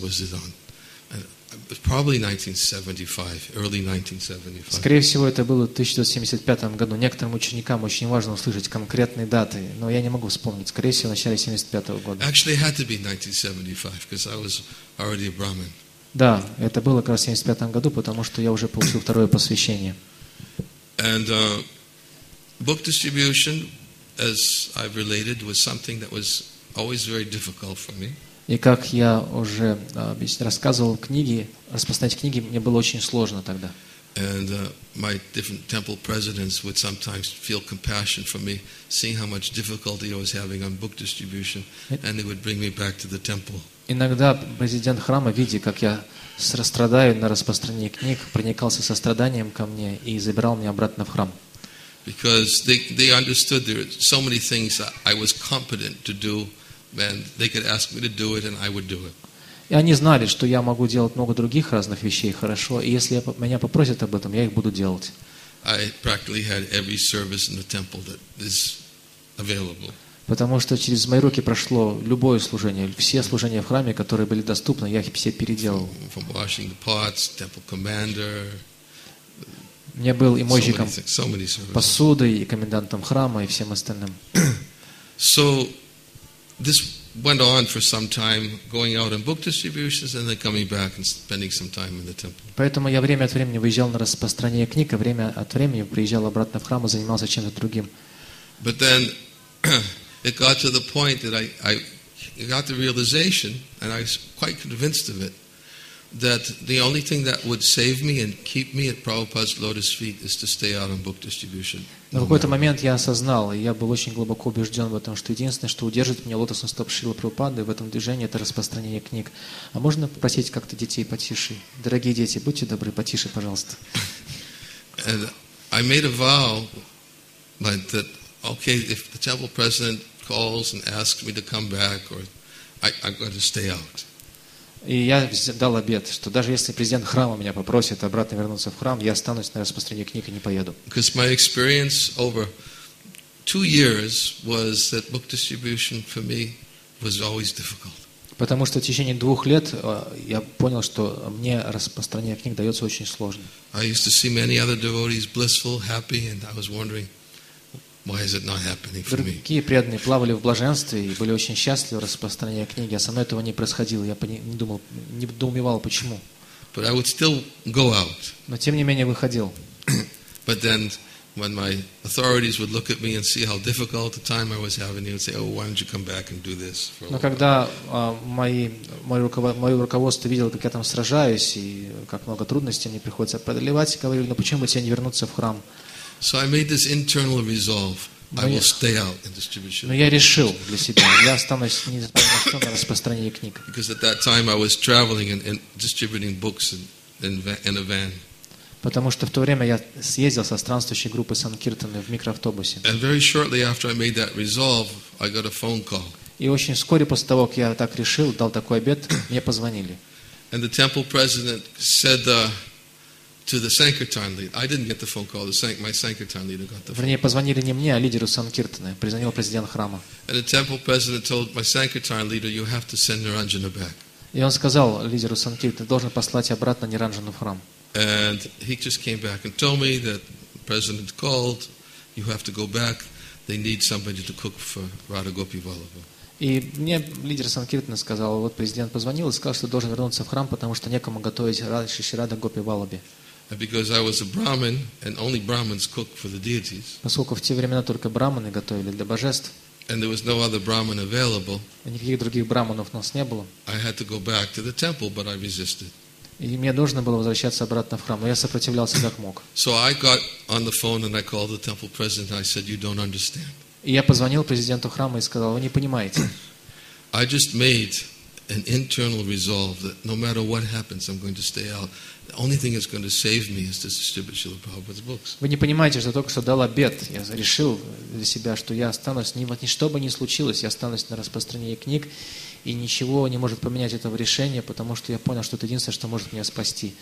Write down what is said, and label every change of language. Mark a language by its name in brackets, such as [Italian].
[English] Was it on? Probably 1975, early 1975. [Russian] Скорее всего, это было в 1975 году. Некоторым ученикам очень важно услышать конкретные даты, но я не могу вспомнить. Скорее всего, в начале 75 года. [English] Actually, it had to be 1975 because I was already a Brahmin. [Russian] Да, это было как раз в 75 году, потому что я уже получил второе посвящение. [English] And book distribution. as I've related, was something that was always very difficult for me. [Russian] И как я уже рассказывал, книги, распространять книги мне было очень сложно тогда. [English] And my different temple presidents would sometimes feel compassion for me, seeing how much difficulty I was having on book distribution, and they would bring me back to the temple. [Russian] Иногда президент храма, видя, как я страдаю на распространении книг, проникался состраданием ко мне и забирал меня обратно в храм. [English] Because they understood there were so many things that I was competent to do, and they could ask me to do it, and I would do it. [Russian] И они знали, что я могу делать много других разных вещей хорошо, и если меня попросят об этом, я их буду делать. [English] I practically had every service in the temple that is available. [Russian] Потому что через мои руки прошло любое служение, все служения в храме, которые были доступны, я их все переделал. [English] From washing the pots, temple commander. [Russian] Мне был и мойщиком [English] so many [Russian] посуды, и комендантом храма, и всем остальным. [English] So, this went on for some time, going out on book distributions, and then coming back and spending some time in the temple. [Russian] Поэтому я время от времени выезжал на распространение книг, а время от времени приезжал обратно в храм и занимался чем-то другим. [English] But then it got to the point that I got the realization, and I was quite convinced of it, that the only thing that would save me and keep me at Prabhupada's lotus feet is to stay out on book distribution. [Russian] На какой-то момент я осознал, и я был очень глубоко убежден в этом, что единственное, что удержит меня лотосом стоп Шрилы Прабхупады в этом движении, это распространение книг. А можно попросить как-то детей потише? Дорогие дети, будьте добры, потише, пожалуйста. [English] And I made a vow, like that, okay, if the temple president calls and asks me to come back, or I'm going to stay out. [Russian] И я дал обет, что даже если президент храма меня попросит обратно вернуться в храм, я останусь на распространении книг и не поеду. [English] Because my experience over 2 years was that book distribution for me was always difficult. [Russian] Потому что в течение 2 лет я понял, что мне распространение книг дается очень сложно. [English] I used to see many other devotees blissful, happy, and I was wondering, why is it not happening for me? [Russian] Другие преданные плавали в блаженстве и были очень счастливы в распространении книги, а со мной этого не происходило. Я недоумевал, почему. [English] But I would still go out. [Russian] Но тем не менее выходил. [English] But then, when my authorities would look at me and see how difficult a time I was having, they would say, "Oh, why don't you come back and do this?" [Russian] Но когда мое руководство видело, как я там сражаюсь и как много трудностей мне приходится преодолевать, говорили: "Ну почему бы тебе не вернуться в храм?" [English] So I made this internal resolve. I will stay out in distribution. [Russian] Но я решил для себя, я останусь на распространении книг. [English] Because at that time I was traveling and distributing books in a van. [Russian] Потому что в то время я съездил со странствующей группой Санкиртаны в микроавтобусе. [English] And very shortly after I made that resolve, I got a phone call. [Russian] И очень вскоре после того, как я так решил, дал такой обет, мне позвонили. [English] And the temple president said, to the Sankirtan leader. I didn't get the phone call. My Sankirtan leader got the phone. [Russian] Вернее, позвонили не мне, а лидеру Санкиртаны, призвонил президент храма. [English] And the temple president told my Sankirtan leader, you have to send Niranjana back. [Russian] И он сказал лидеру Санкиртаны, должен послать обратно Ниранджану в храм. [English] And he just came back and told me that the president called, you have to go back, they need somebody to cook for Radha Gopi Vallabha. [Russian] И мне лидер Санкиртаны сказал, вот президент позвонил и сказал, что должен вернуться в храм, потому что некому готовить Радха Гопи Валлабхи. [English] Because I was a Brahmin and only Brahmins cook for the deities. [Russian] Поскольку в те времена только брахманы готовили для божеств. [English] And there was no other Brahmin available. [Russian] И никаких других брахманов у нас не было. [English] I had to go back to the temple, but I resisted. [Russian] И мне нужно было возвращаться обратно в храм, но я сопротивлялся как мог. [English] So I got on the phone and I called the temple president. I said, "You don't understand." [Russian] И я позвонил президенту храма и сказал, вы не понимаете. [English] I just made an internal resolve that no matter what happens, I'm going to stay out. The only thing that's going to save me is to distribute Srila Prabhupada's books. [Russian] Вы не понимаете, что только что дал обет. Я решил для себя, что я останусь, ни что бы ни случилось, я останусь на распространении книг, и ничего не может поменять этого решения, потому что я понял, что это единственное, что может меня спасти.